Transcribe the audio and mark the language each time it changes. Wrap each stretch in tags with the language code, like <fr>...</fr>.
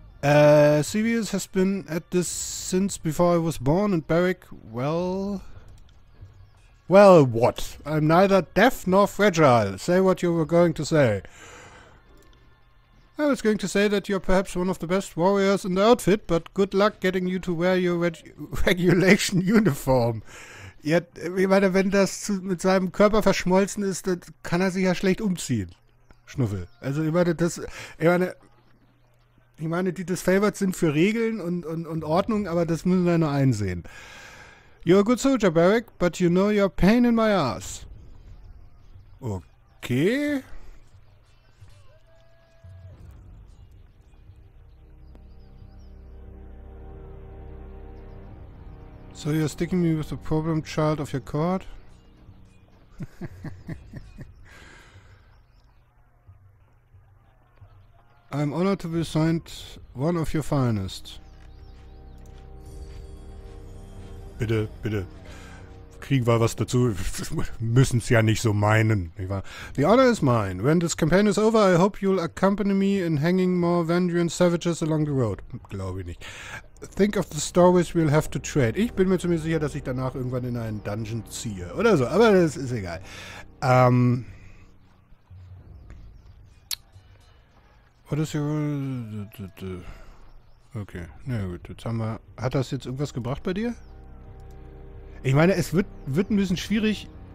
<en>Sevius has been at this since before I was born, and Beric, well... Well, what? I'm neither deaf nor fragile. Say what you were going to say. I was going to say that you're perhaps one of the best warriors in the outfit, but good luck getting you to wear your regulation uniform.</en> <de>Yet, ich meine, wenn das zu, mit seinem Körper verschmolzen ist, dann kann er sich ja schlecht umziehen. Schnuffel. Also, ich meine, das... Ich meine, die disfavored sind für Regeln und Ordnung, aber das müssen wir nur einsehen.</de> <en>You're a good soldier, Beric, but you know you're a pain in my ass. Okay. So you're sticking me with the problem child of your court? I'm honored to be assigned one of your finest.</en> <de>Bitte, bitte. Kriegen wir was dazu? Müssen es ja nicht so meinen. Nicht wahr?</de> <en>The honor is mine. When this campaign is over, I hope you'll accompany me in hanging more Vendrian savages along the road.</en> <de>Glaube ich nicht.</de> <en>Think of the stories we'll have to trade.</en> <de>Ich bin mir zumindest sicher, dass ich danach irgendwann in einen Dungeon ziehe. Oder so. Aber das ist egal.</de> <en>What is your role?</en> <de>Okay, na ja, gut, jetzt haben wir... Hat das jetzt irgendwas gebracht bei dir? Ich meine, es wird ein bisschen schwierig.</de>